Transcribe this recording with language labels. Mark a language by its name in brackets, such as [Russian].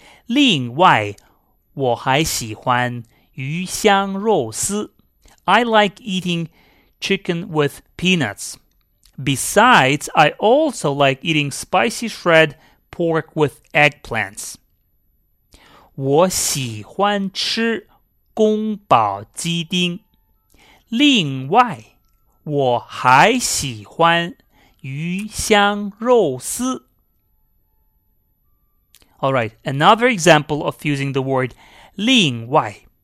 [Chinese] 另外我还喜欢鱼香肉丝。 [English] I like eating chicken with peanuts. Besides, I also like eating spicy shred pork with eggplants. [Chinese] 我喜欢吃宫保鸡丁另外我还喜欢鱼香肉丝 [English] All right, another example of using the word 另外。